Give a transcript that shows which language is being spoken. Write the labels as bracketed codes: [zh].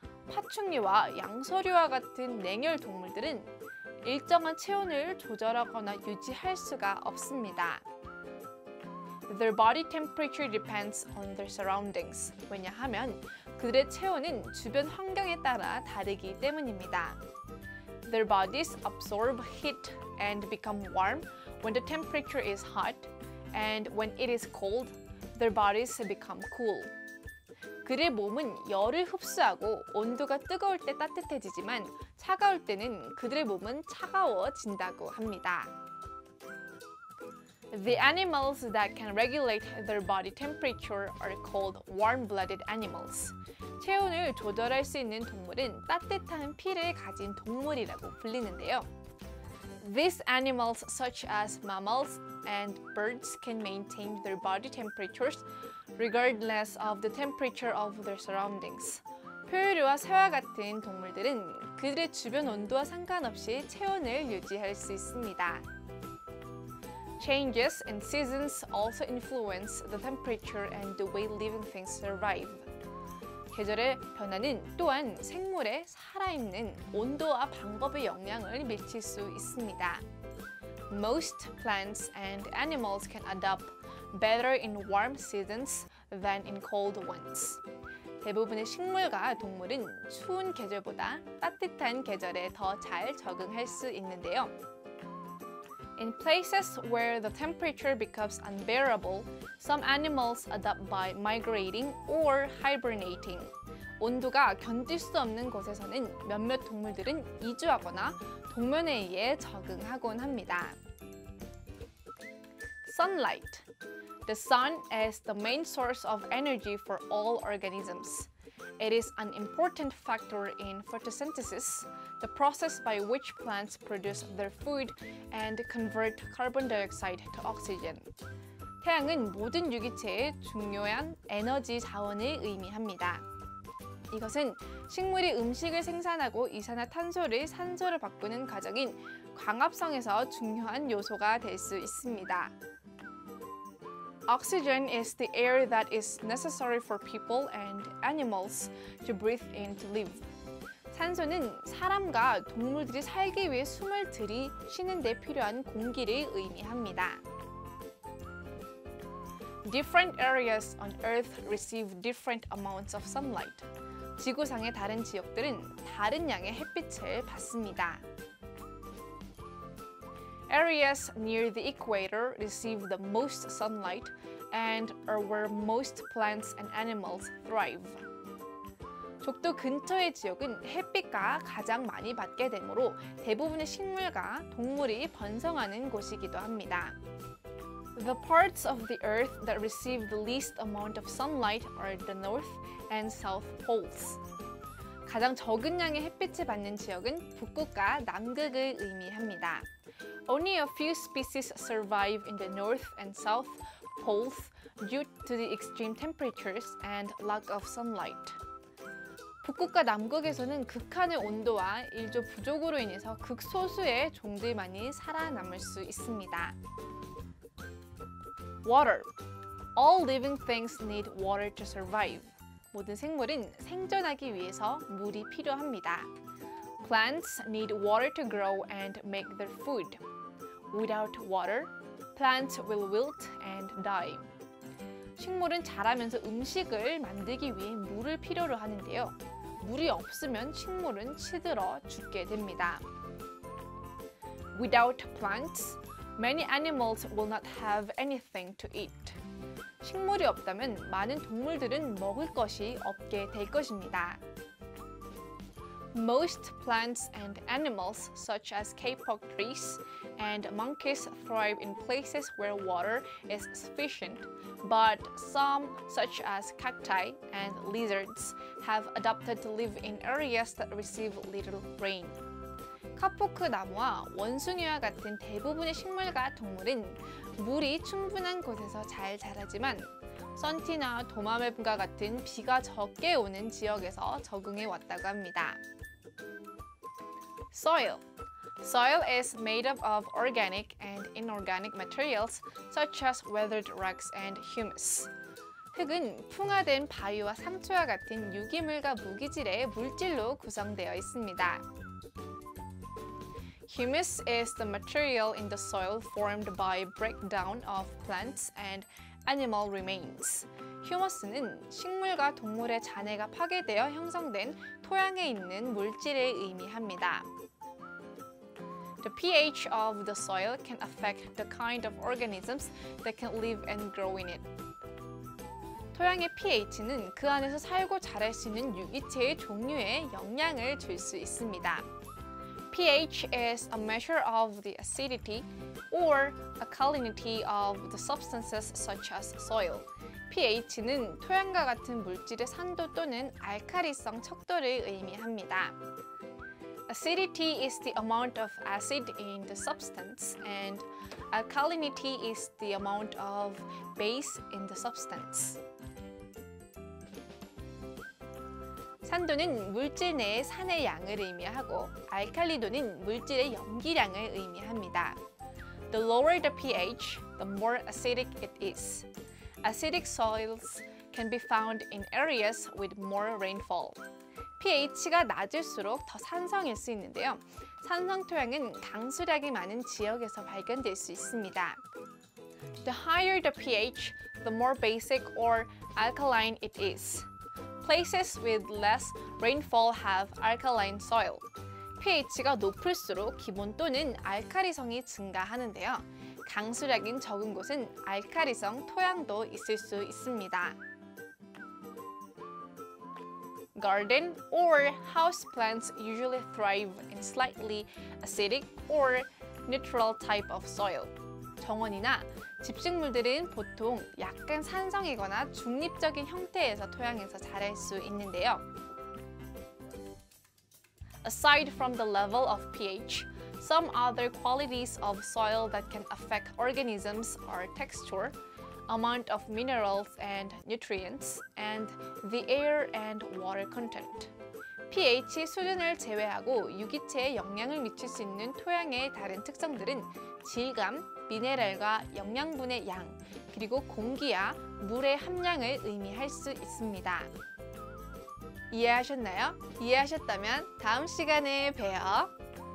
[ko] 파충류와 양서류와 같은 냉혈 동물들은 일정한 체온을 조절하거나 유지할 수가 없습니다. [en] Their body temperature depends on their surroundings. [ko] 왜냐하면 그들의 체온은 주변 환경에 따라 다르기 때문입니다. [en] Their bodies absorb heat and become warm when the temperature is hot, and when it is cold, their bodies become cool. [ko] 그들의 몸은 열을 흡수하고 온도가 뜨거울 때 따뜻해지지만 차가울 때는 그들의 몸은 차가워진다고 합니다. [en] The animals that can regulate their body temperature are called warm-blooded animals. [ko] 체온을 조절할 수 있는 동물은 따뜻한 피를 가진 동물이라고 불리는데요. [en] These animals such as mammals and birds can maintain their body temperatures regardless of the temperature of their surroundings. [ko] 표류와 새와 같은 동물들은 그들의 주변 온도와 상관없이 체온을 유지할 수 있습니다. [en] Changes in seasons also influence the temperature and the way living things survive. [ko] 계절의 변화는 또한 생물의 살아있는 온도와 방법에 영향을 미칠 수 있습니다. [en] Most plants and animals can adapt better in warm seasons than in cold ones. [ko] 대부분의 식물과 동물은 추운 계절보다 따뜻한 계절에 더 잘 적응할 수 있는데요. [en] In places where the temperature becomes unbearable, some animals adapt by migrating or hibernating. [ko] 온도가 견딜 수 없는 곳에서는 몇몇 동물들은 이주하거나 동면에 의해 적응하곤 합니다. [en] Sunlight. The sun is the main source of energy for all organisms. It is an important factor in photosynthesis, the process by which plants produce their food and convert carbon dioxide to oxygen. [ko] 태양은 모든 유기체의 중요한 에너지 자원을 의미합니다. 이것은 식물이 음식을 생산하고 이산화탄소를 산소로 바꾸는 과정인 광합성에서 중요한 요소가 될 수 있습니다. [en] Oxygen is the air that is necessary for people and animals to breathe in to live. [ko] 산소는 사람과 동물들이 살기 위해 숨을 들이쉬는 데 필요한 공기를 의미합니다. [en] Different areas on Earth receive different amounts of sunlight. [ko] 지구상의 다른 지역들은 다른 양의 햇빛을 받습니다. [en] Areas near the equator receive the most sunlight and are where most plants and animals thrive. [ko] 적도 근처의 지역은 햇빛과 가장 많이 받게 되므로 대부분의 식물과 동물이 번성하는 곳이기도 합니다. [en] The parts of the Earth that receive the least amount of sunlight are the North and South Poles. [ko] 가장 적은 양의 햇빛을 받는 지역은 북극과 남극을 의미합니다. [en] Only a few species survive in the North and South Poles due to the extreme temperatures and lack of sunlight. [ko] 북극과 남극에서는 극한의 온도와 일조 부족으로 인해서 극소수의 종들만이 살아남을 수 있습니다. [en] Water. All living things need water to survive. [ko] 모든 생물은 생존하기 위해서 물이 필요합니다. [en] Plants need water to grow and make their food. Without water, plants will wilt and die. [ko] 식물은 자라면서 음식을 만들기 위해 물을 필요로 하는데요. 물이 없으면 식물은 시들어 죽게 됩니다. [en] Without plants, many animals will not have anything to eat. [ko] 식물이 없다면 많은 동물들은 먹을 것이 없게 될 것입니다. [en] Most plants and animals, such as kapok trees and monkeys, thrive in places where water is sufficient. But some, such as cacti and lizards, have adapted to live in areas that receive little rain. [ko] 카포크 나무와 원숭이와 같은 대부분의 식물과 동물은 물이 충분한 곳에서 잘 자라지만 썬티나 도마뱀과 같은 비가 적게 오는 지역에서 적응해 왔다고 합니다. [en] Soil. Soil is made up of organic and inorganic materials such as weathered rocks and humus. [ko] 흙은 풍화된 바위와 상추와 같은 유기물과 무기질의 물질로 구성되어 있습니다. [en] Humus is the material in the soil formed by breakdown of plants and animal remains. [ko] 휴머스는 식물과 동물의 잔해가 파괴되어 형성된 토양에 있는 물질을 의미합니다. [en] The pH of the soil can affect the kind of organisms that can live and grow in it. [ko] 토양의 pH는 그 안에서 살고 자랄 수 있는 유기체의 종류에 영향을 줄 수 있습니다. [en] pH is a measure of the acidity or alkalinity of the substances such as soil. [ko] pH는 토양과 같은 물질의 산도 또는 알칼리성 척도를 의미합니다. [en] Acidity is the amount of acid in the substance and alkalinity is the amount of base in the substance. [ko] 산도는 물질 내의 산의 양을 의미하고 알칼리도는 물질의 염기량을 의미합니다. [en] The lower the pH, the more acidic it is. Acidic soils can be found in areas with more rainfall. [ko] pH가 낮을수록 더 산성일 수 있는데요. 산성 토양은 강수량이 많은 지역에서 발견될 수 있습니다. [en] The higher the pH, the more basic or alkaline it is. Places with less rainfall have alkaline soil. [ko] pH가 높을수록 기본 또는 알칼리성이 증가하는데요. 강수량이 적은 곳은 알칼리성 토양도 있을 수 있습니다. [en] Garden or house plants usually thrive in slightly acidic or neutral type of soil. [ko] 정원이나 집식물들은 보통 약간 산성이거나 중립적인 형태에서 토양에서 자랄 수 있는데요. [en] Aside from the level of pH, some other qualities of soil that can affect organisms are texture, amount of minerals and nutrients, and the air and water content. [ko] pH 수준을 제외하고 유기체에 영향을 미칠 수 있는 토양의 다른 특성들은 질감, 미네랄과 영양분의 양, 그리고 공기와 물의 함량을 의미할 수 있습니다. 이해하셨나요? 이해하셨다면 다음 시간에 봬요.